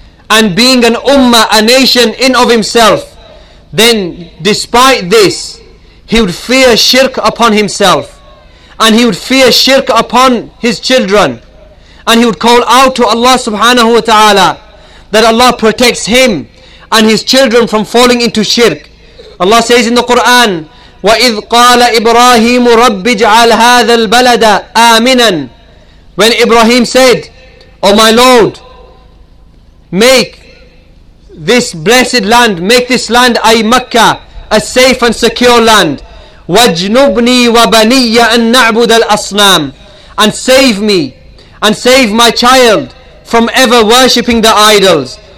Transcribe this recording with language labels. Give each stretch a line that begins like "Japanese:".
English: and being an Ummah, a nation in of himself, then despite this, he would fear shirk upon himself, and he would fear shirk upon his children, and he would call out to Allah subhanahu wa ta'ala that Allah protects him and his children from falling into shirk. Allah says in the Quran,
Arabic: وَإِذْ قَالَ إِبْرَاهِيمُ رَبِّ جَعَلْ هَذَا الْبَلَدَ آمِنًا.
English: When Ibrahim said, O my Lord, make this blessed land, make this land, I Mecca, a safe and secure land.
Arabic: وَاجْنُبْنِي وَبَنِيَّ أَن نَعْبُدَ الْأَصْنَامِ.
English: And save me, and save my child from ever worshipping the idols.